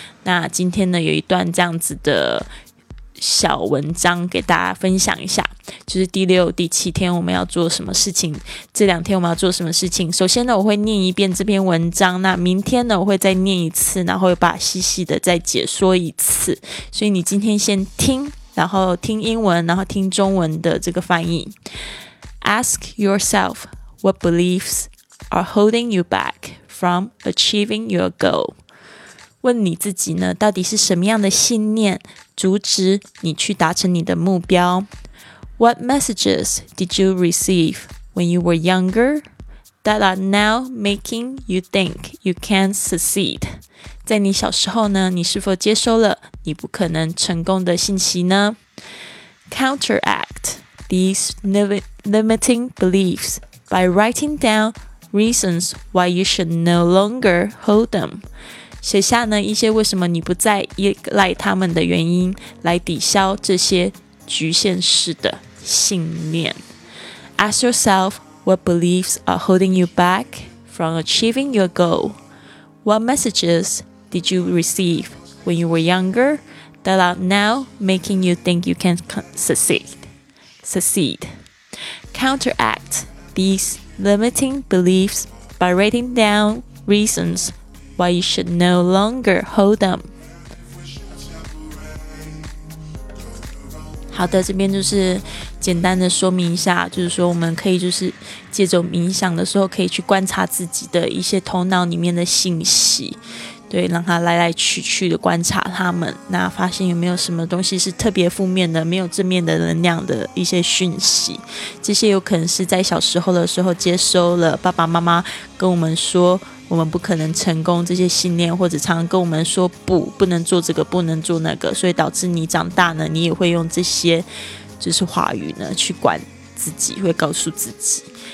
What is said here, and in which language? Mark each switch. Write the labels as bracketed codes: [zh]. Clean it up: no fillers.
[zh] 那今天呢有一段这样子的小文章给大家分享一下，就是第六第七天我们要做什么事情，这两天我们要做什么事情。首先呢我会念一遍这篇文章，那明天呢我会再念一次，然后把细细的再解说一次，所以你今天先听，然后听英文，然后听中文的这个翻译。 [en] Ask yourself what beliefs are holding you back from achieving your goal. [zh] 问你自己呢，到底是什么样的信念阻止你去达成你的目标？ [en] What messages did you receive when you were younger that are now making you think you can't succeed? [zh] 在你小时候呢，你是否接收了你不可能成功的信息呢？ [en] Counteract these limiting beliefs by writing down reasons why you should no longer hold them. [zh] 写下呢一些为什么你不再依赖他们的原因，来抵消这些局限式的信念。 [en] Ask yourself what beliefs are holding you back from achieving your goal. What messages did you receive when you were younger that are now making you think you can succeed. Counteract these limiting beliefs by writing down reasons why you should no longer hold them. [zh] 好的，这边就是简单的说明一下，就是说我们可以就是借着冥想的时候，可以去观察自己的一些头脑里面的信息，对，让它来来去去的观察它们，那发现有没有什么东西是特别负面的，没有正面的能量的一些讯息，这些有可能是在小时候的时候接收了爸爸妈妈跟我们说我们不可能成功这些信念，或者常常跟我们说不能做这个，不能做那个，所以导致你长大呢，你也会用这些就是话语呢去管自己，会告诉自己。